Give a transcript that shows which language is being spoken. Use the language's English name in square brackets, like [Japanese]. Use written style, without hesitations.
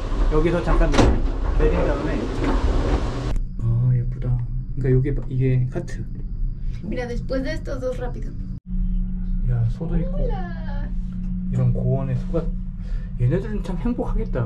[Korean] 여기서 잠깐 내린 다음에. 그러니까 이게 카트. [Spanish] Mira, después de estos dos, rápido. [Korean] 야, 소도 있고. 몰라. 이런 고원의 소가 얘네들은 참 행복하겠다.